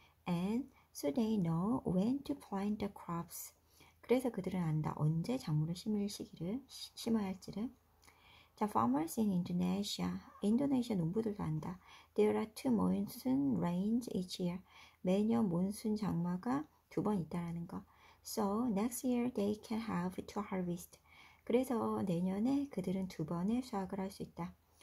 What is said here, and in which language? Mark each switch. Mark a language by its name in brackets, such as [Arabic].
[English] And so they know when to plant the crops. [Korean] 그래서 그들은 안다. 언제 작물을 심을 시기를, 심어야 할지를. [English] 자, farmers in Indonesia. [Korean] 인도네시아 농부들도 안다. [English] There are two monsoon rains each year. [Korean] 매년 몬순 장마가 두번 있다라는 거. [English] So next year they can have two harvests. [Korean] 그래서 내년에 그들은 두 번의 수확을 할수 있다.